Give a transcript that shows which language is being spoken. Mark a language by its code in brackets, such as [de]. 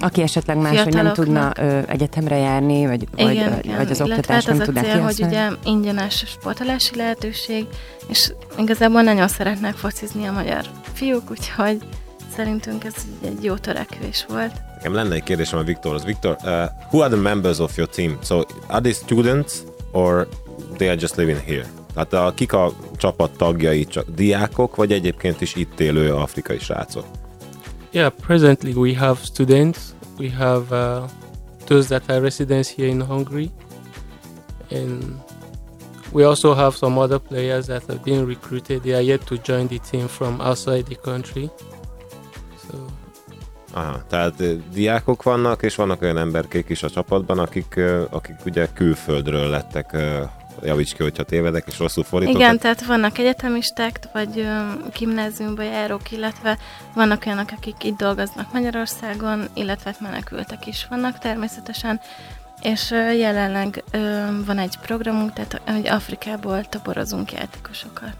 [hu] Aki esetleg máshogy nem tudna egyetemre járni, vagy az oktatás illetve, nem tudná kihasználni. Hát az a cél, hogy ugye ingyenes sportolási lehetőség, és igazából nagyon szeretnek focizni a magyar fiúk, úgyhogy szerintünk ez egy jó törekvés volt. Nekem lenne egy kérdésem a Viktorhoz. [en] Viktor, who are the members of your team? So, are they students, or they are just living here? [hu] Hát kik a csapat tagjai, csak diákok, vagy egyébként is itt élő afrikai srácok? [en] Yeah, presently we have students. We have those that are residents here in Hungary. And we also have some other players that have been recruited. They are yet to join the team from outside the country. So. [hu] Aha, tehát diákok vannak, és vannak olyan emberkék is a csapatban, akik ugye külföldről lettek. Javíts ki, hogyha tévedek, és rosszul fordítok. Igen, tehát vannak egyetemisták, vagy gimnáziumba járók, illetve vannak olyanok, akik itt dolgoznak Magyarországon, illetve menekültek is vannak természetesen, és jelenleg van egy programunk, tehát hogy Afrikából toborozunk játékosokat.